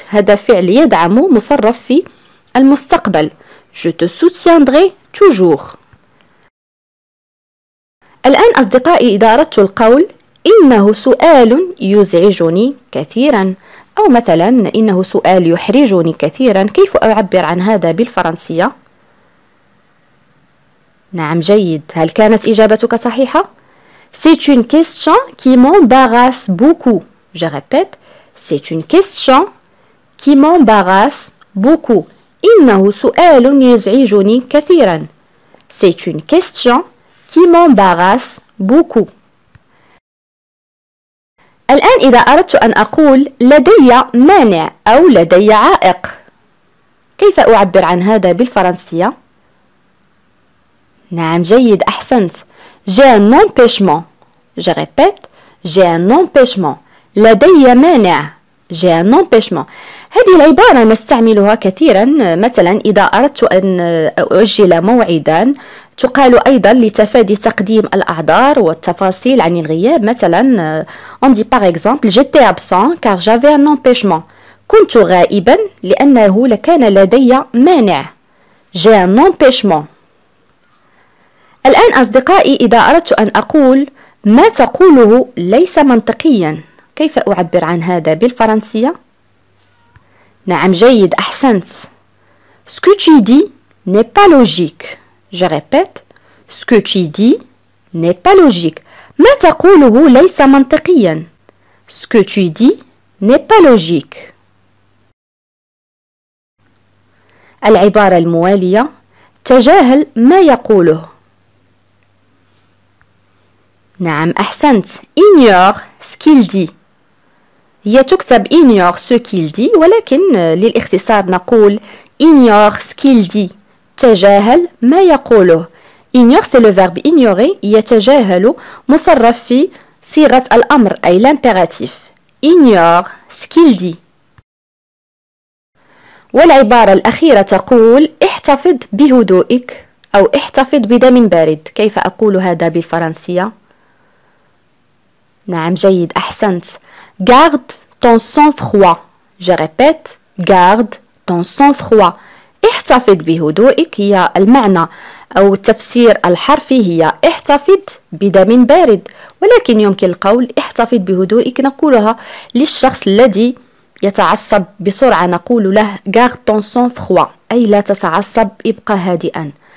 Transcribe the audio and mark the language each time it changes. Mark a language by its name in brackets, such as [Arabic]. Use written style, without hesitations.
[Arabic] هذا فعل يدعم مصرف في المستقبل. [French] Je te soutiendrai toujours. [Arabic] الآن أصدقائي إذا أردت القول إنه سؤال يزعجني كثيرا أو مثلا إنه سؤال يحرجني كثيرا، كيف أعبر عن هذا بالفرنسية؟ نعم جيد، هل كانت إجابتك صحيحة؟ [French] C'est une question qui m'embarrasse beaucoup. Je répète, c'est une question qui m'embarrasse beaucoup. [Arabic] إنه سؤال يزعجني كثيرا. [French] C'est une question qui m'embarrasse beaucoup. [Arabic] الآن إذا أردت أن أقول لدي مانع أو لدي عائق، كيف أعبر عن هذا بالفرنسية؟ نعم جيد أحسنت. [French] J'ai un empêchement. Je répète, j'ai un empêchement. [Arabic] لدي مانع. [French] J'ai un empêchement. [Arabic] هذه العبارة نستعملها كثيرا، مثلا إذا أردت أن أؤجل موعدا، تقال أيضا لتفادي تقديم الأعذار والتفاصيل عن الغياب. [French] مثلا on dit par exemple j'étais absent car j'avais un empêchement. [Arabic] كنت غائبا لأنه لكان لدي مانع. [French] J'ai un empêchement. [Arabic] الآن أصدقائي إذا أردت أن أقول ما تقوله ليس منطقيا، كيف أعبر عن هذا بالفرنسية؟ نعم جيد أحسنت. [French] Ce que tu dis n'est pas logique. Je répète, ce que tu dis n'est pas logique. [Arabic] ما تقوله ليس منطقيا. [French] Ce que tu dis n'est pas logique. [Arabic] العبارة الموالية تجاهل ما يقوله. نعم أحسنت. [French] Ignore ce qu'il dit. [Arabic] هي تكتب [French] ignore ce qu'il dit، [Arabic] ولكن للاختصار نقول [French] ignore ce qu'il dit. [Arabic] تجاهل ما يقوله. [French] Ignore c'est le verbe ignorer. [Arabic] يتجاهل مصرف في صيغة الأمر أي l'impératif. [French] Ignore ce qu'il dit. [Arabic] والعبارة الأخيرة تقول احتفظ بهدوئك أو احتفظ بدم بارد، كيف أقول هذا بالفرنسية؟ نعم جيد أحسنت. [French] Garde ton sang froid. Je répète, garde ton sang froid. [Arabic] احتفظ بهدوئك هي المعنى أو التفسير الحرفي هي احتفظ بدم بارد، ولكن يمكن القول احتفظ بهدوئك نقولها للشخص الذي يتعصب بسرعة، نقول له [French] garde ton sang froid [Arabic] أي لا تتعصب ابقى هادئا.